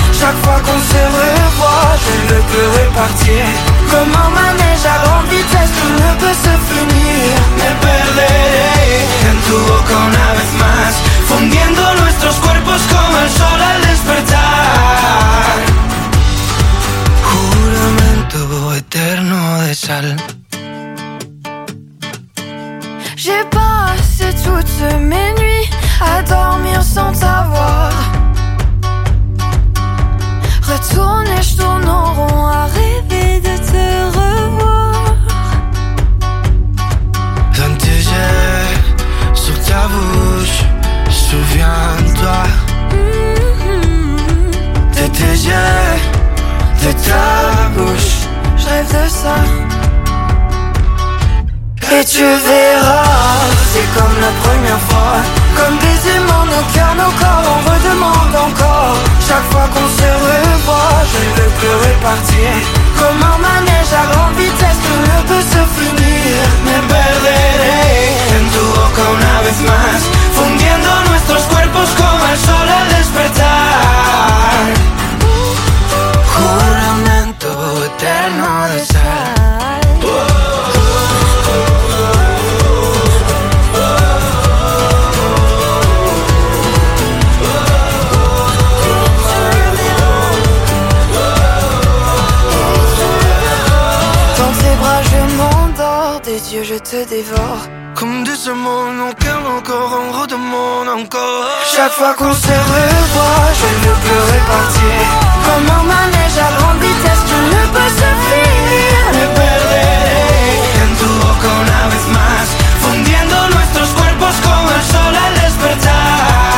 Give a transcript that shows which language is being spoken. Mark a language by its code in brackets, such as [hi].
[fr] Chaque fois qu'on se revoit, je ne peux repartir. Comme un manège à grande vitesse, tout ne peut se finir. [es] Me perdé en tu boca una vez más, fundiendo nuestros cuerpos como el sol al despertar. Juramento eterno de sal. [fr] J'ai passé toutes mes nuits à dormir sans t'avoir. Retourne et je tourne en rond à rêver de te revoir. Donne tes yeux sur ta bouche, souviens-toi. De tes yeux, de ta bouche, je rêve de ça. Et tu verras, c'est comme la première fois. Comme des aimants, nos cœurs, nos corps, on redemande encore. Chaque fois qu'on se revoit, je ne veux plus repartir. Comme un manège à grande vitesse, tout ne peut se finir. [es] Me perderé en tu boca una vez más, fundiendo nuestros cuerpos como el sol al despertar. Juramento eterno de sal. [fr] Je te dévore. Comme des aimants, nos cœurs, nos corps, on redemande encore. Chaque fois qu'on se revoit, je ne peux repartir. Comme un manège à grande vitesse, tout ne peut se finir. [es] Me perdé en tu boca una vez más, fundiendo nuestros cuerpos como el sol al despertar.